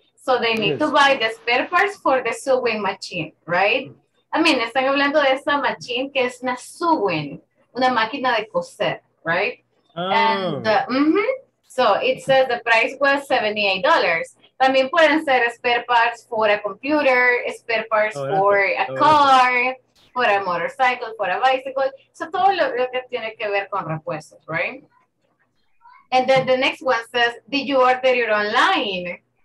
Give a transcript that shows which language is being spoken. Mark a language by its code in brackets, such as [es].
[en] So they need to buy the spare parts for the sewing machine, right? I mean, [es] están hablando de esa machine que es una sewing, una máquina de coser, right? [en] Oh. And, so it says the price was $78. [es] También pueden ser [en] spare parts for a computer, spare parts for a car, for a motorcycle, for a bicycle. [es] So todo lo que tiene que ver con repuestos, right? [en] And then the next one says, did you order it online?